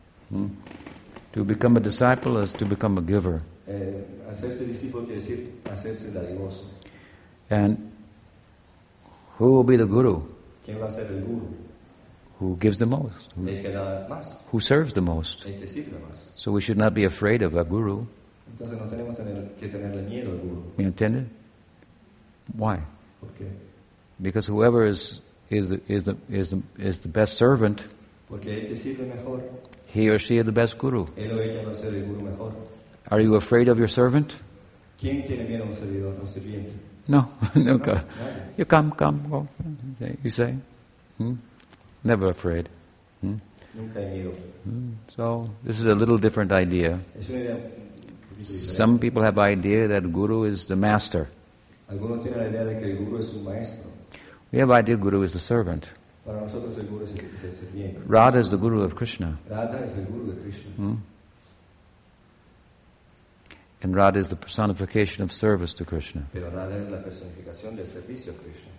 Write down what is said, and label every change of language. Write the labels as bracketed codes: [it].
[en] To become a disciple is to become a giver. [es] Hacerse discípulo quiere decir hacerse dadivoso. [en] And who will be the guru? [es] ¿Quién va a ser el guru? [en] Who gives the most? [es] El que da más. [en] Who serves the most? [es] El que sirve más. [en] So we should not be afraid of a guru. [es] Entonces no tenemos que tenerle miedo al guru. ¿Me entiende? Why? ¿Por qué? [en] Because whoever is the best servant, [es] porque él te sirve mejor. [en] He or she is the best guru. [es] Él o ella va a ser el guru mejor. [en] Are you afraid of your servant? [es] ¿Quién tiene miedo a un servidor, a un sirviente? No, nunca. [en] No, you come, go. You say, never afraid. [es] Nunca hay miedo. [en] So this is a little different idea. [es] Es una idea. [en] Some people have idea that guru is the master. [es] Algunos tienen la idea de que el guru es un maestro. [en] We have idea guru is the servant. [es] Para nosotros el guru es el sirviente. [en] Radha is the guru of Krishna. [es] Radha es el guru de Krishna. [en] And Radha is the personification of service to Krishna. [es] Pero Radha es la personificación del servicio a Krishna.